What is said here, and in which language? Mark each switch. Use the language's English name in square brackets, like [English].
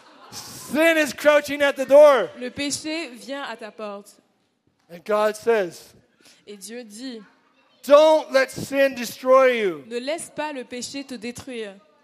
[English] Sin is crouching at the door. [French] Le péché vient à ta porte. [English] And God says. [French] Et Dieu dit. [English] Don't let sin destroy you. [French] Ne laisse pas le péché te détruire.